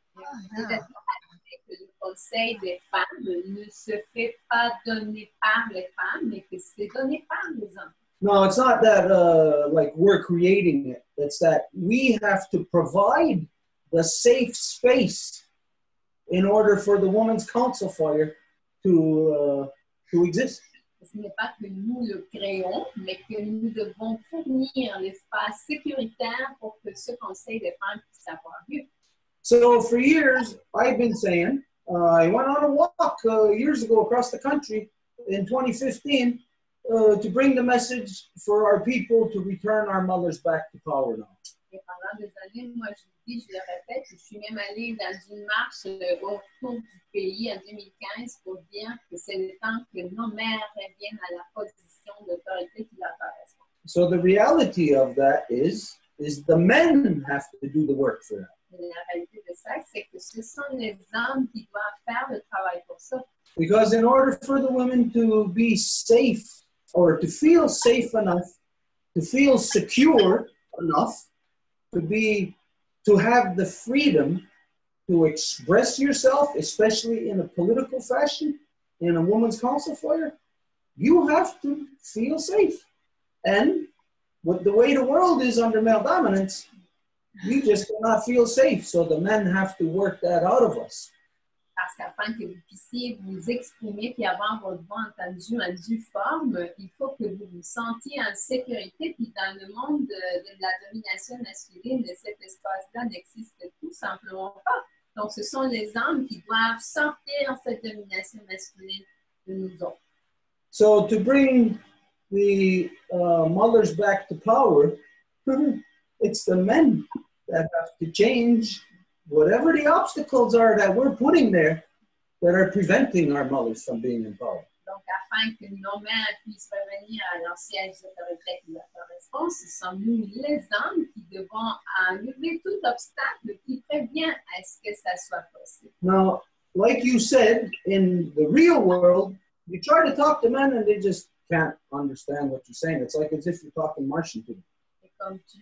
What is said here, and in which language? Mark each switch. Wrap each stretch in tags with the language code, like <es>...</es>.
<en>No, it's not that like we're creating it. It's that we have to provide the safe space in order for the woman's council fire to exist.</en> <fr>Ce n'est pas que nous le créons, mais que nous devons fournir l'espace sécuritaire pour que ce conseil des femmes puisse avoir lieu.</fr> <en>So for years, I've been saying, I went on a walk years ago across the country in 2015 to bring the message for our people to return our mothers back to power now.</en> <fr>Et pendant des années, moi je dis, je le répète, je suis même allée dans une marche autour du pays en 2015 pour dire que c'est le temps que nos mères reviennent à la position d'autorité qui leur correspond.</fr> <en>So the reality of that is the men have to do the work for that.</en> <fr>La réalité de ça, c'est que ce sont les hommes qui doivent faire le travail pour ça.</fr> <en>Because in order for the women to be safe, or to feel safe enough, to feel secure enough, to have the freedom to express yourself, especially in a political fashion, in a woman's council foyer, you have to feel safe. And with the way the world is under male dominance, you just cannot feel safe. So the men have to work that out of us.</en> <fr>Parce qu'afin que vous puissiez vous exprimer et avoir votre voix entendue en due forme, il faut que vous vous sentiez en sécurité. Puis dans le monde de la domination masculine, cet espace-là n'existe tout simplement pas. Donc ce sont les hommes qui doivent sortir cette domination masculine de nous autres.</fr> <en>So to bring the mothers back to power, it's the men that have to change whatever the obstacles are that we're putting there that are preventing our mothers from being in power.</en> <fr>Donc, afin que nos mères puissent revenir à leur siège d'autorité qui leur correspond, ce sont nous les hommes qui devons enlever tout obstacle qui prévient à ce que ça soit possible.</fr> <en>Now, like you said, in the real world, you try to talk to men and they just can't understand what you're saying. It's like as if you're talking Martian to them.</en>